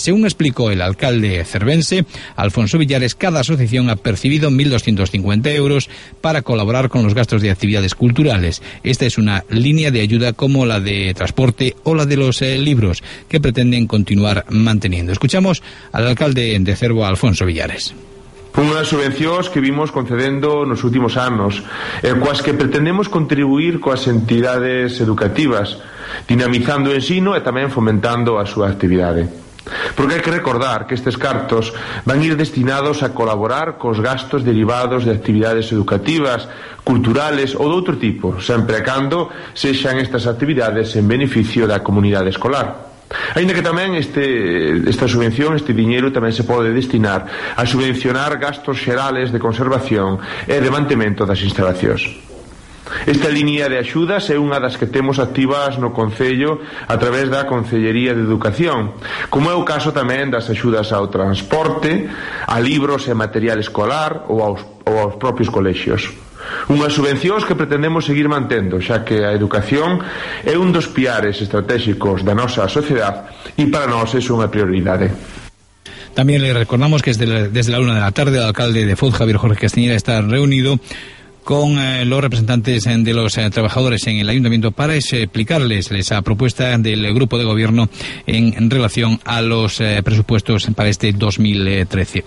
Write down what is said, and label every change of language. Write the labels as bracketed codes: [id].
[es] Según explicó el alcalde cervense, Alfonso Villares, cada asociación ha percibido 1.250 euros para colaborar con los gastos de actividades culturales. Esta es una línea de ayuda como la de transporte o la de los libros, que pretenden continuar manteniendo. Escuchamos al alcalde de Cervo, Alfonso Villares. [gl] Unha das subvencións que vimos concedendo nos últimos anos, coas que pretendemos contribuir coas entidades educativas, dinamizando o ensino e tamén fomentando a súa actividade. Porque hai que recordar que estes cartos van ir destinados a colaborar cos gastos derivados de actividades educativas, culturales ou de outro tipo, sempre cando sexan estas actividades en beneficio da comunidade escolar. Ainda que tamén esta subvención, este diñeiro, tamén se pode destinar a subvencionar gastos xerales de conservación e de mantemento das instalacións. Esta línea de axudas é unha das que temos activas no Concello a través da Concellería de Educación, como é o caso tamén das axudas ao transporte, a libros e material escolar ou aos propios colexios. Unhas subvencións que pretendemos seguir mantendo, xa que a educación é un dos piares estratégicos da nosa sociedade e para nós é unha prioridade. [es] También le recordamos que desde la 1 de la tarde el alcalde de Foz, Javier Jorge Castiñera, está reunido con los representantes de los trabajadores en el ayuntamiento para explicarles esa propuesta del grupo de gobierno en relación a los presupuestos para este 2013.